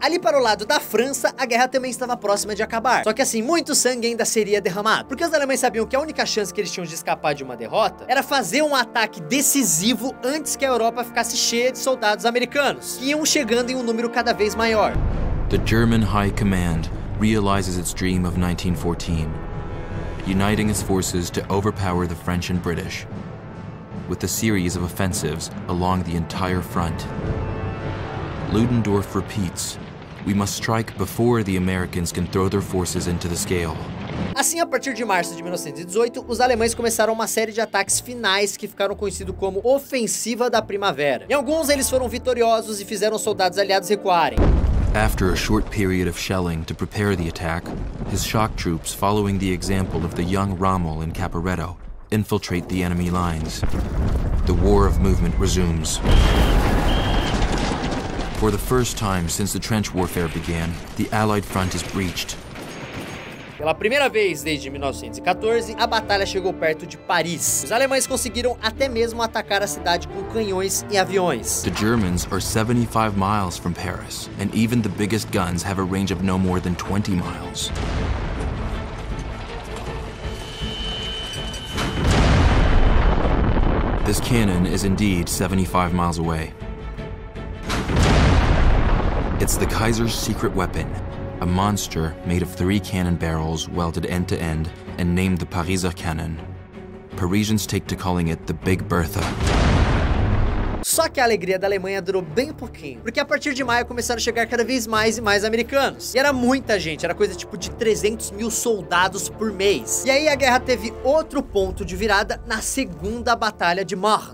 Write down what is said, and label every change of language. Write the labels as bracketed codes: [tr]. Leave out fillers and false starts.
[pt] Ali para o lado da França, a guerra também estava próxima de acabar. Só que assim, muito sangue ainda seria derramado. Porque os alemães sabiam que a única chance que eles tinham de escapar de uma derrota era fazer um ataque decisivo antes que a Europa ficasse cheia de soldados americanos, que iam chegando em um número cada vez maior. [en] The German High Command realizes its dream of 1914, uniting its forces to overpower the French and British. With a series of offensives along the entire front. Ludendorff repeats, "We must strike before the Americans can throw their forces into the scale." [pt] Assim, a partir de março de 1918, os alemães começaram uma série de ataques finais que ficaram conhecidos como Ofensiva da Primavera. Em alguns, eles foram vitoriosos e fizeram soldados aliados recuarem. [en] After a short period of shelling to prepare the attack, his shock troops, following the example of the young Rommel in Caporetto, infiltrate the enemy lines. The war of movement resumes. For the first time since the trench warfare began, the Allied front is breached. [pt] Pela primeira vez desde 1914, a batalha chegou perto de Paris. Os alemães conseguiram até mesmo atacar a cidade com canhões e aviões. [en] The Germans are 75 miles from Paris, and even the biggest guns have a range of no more than 20 miles. This cannon is indeed 75 miles away. It's the Kaiser's secret weapon, a monster made of three cannon barrels welded end to end and named the Pariser cannon. Parisians take to calling it the Big Bertha. [pt] Só que a alegria da Alemanha durou bem pouquinho, porque a partir de maio começaram a chegar cada vez mais e mais americanos. E era muita gente, era coisa tipo de 300 mil soldados por mês. E aí a guerra teve outro ponto de virada na segunda batalha de Marne.